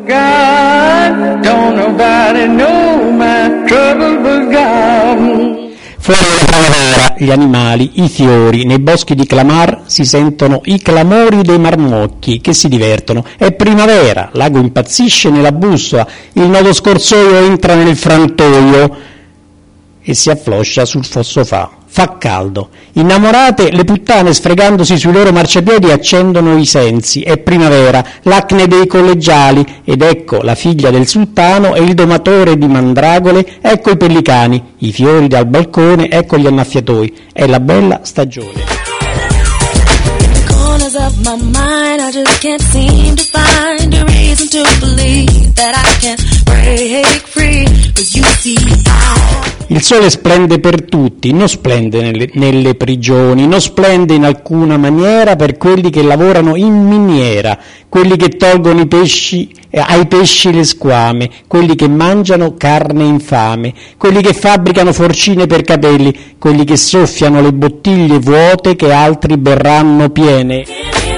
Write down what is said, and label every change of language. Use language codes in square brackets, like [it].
[en] God, don't nobody know my trouble but God. [it] Fuori la primavera, gli animali, i fiori, nei boschi di Clamart si sentono i clamori dei marmocchi che si divertono. È primavera, l'ago impazzisce nella bussola, il nodo scorsoio entra nel frantoio e si affloscia sul fosso fa caldo. Innamorate, le puttane sfregandosi sui loro marciapiedi accendono i sensi. È primavera, l'acne dei collegiali, ed ecco la figlia del sultano e il domatore di mandragole, ecco i pellicani, i fiori dal balcone, ecco gli annaffiatoi. È la bella stagione. [en] of my mind. I just can't seem to find a reason to believe that I can break free. But you see, [it] il sole splende per tutti, non splende nelle prigioni, non splende in alcuna maniera per quelli che lavorano in miniera, quelli che tolgono i pesci, ai pesci le squame, quelli che mangiano carne infame, quelli che fabbricano forcine per capelli, quelli che soffiano le bottiglie vuote che altri berranno piene.